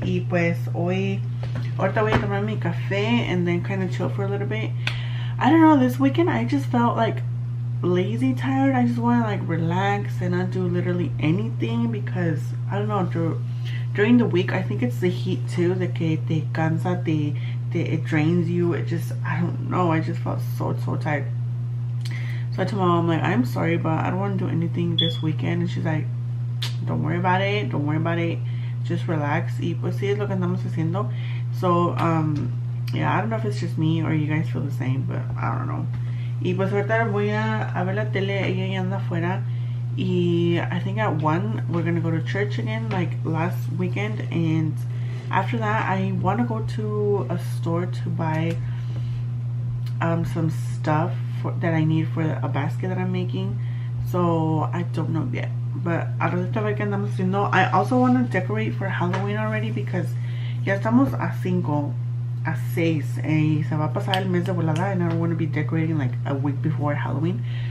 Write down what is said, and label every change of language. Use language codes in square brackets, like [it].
[es] Y pues hoy, ahorita voy a tomar mi café. [en] And then kind of chill for a little bit. I don't know, this weekend I just felt like lazy, tired. I just want to like relax and not do literally anything. Because, I don't know, during the week, I think it's the heat too. [es] De que te cansa, [en] it drains you. It just, I don't know, I just felt so, so tired. So tomorrow I'm like, I'm sorry, but I don't want to do anything this weekend. And she's like, don't worry about it, don't worry about it, just relax. [es] Y pues sí, es lo que andamos haciendo. [en] So yeah, I don't know if it's just me or you guys feel the same, but I don't know. [es] Y pues ahorita voy a ver la tele, ella ya anda afuera. [en] Y I think at 1 we're gonna go to church again, like last weekend. And after that I wanna go to a store to buy some stuff that I need for a basket that I'm making. So I don't know yet. But I also want to decorate for Halloween already because [es] ya estamos a 5, a 6, y se va a pasar el mes de volada, [en] and I don't want to be decorating like a week before Halloween.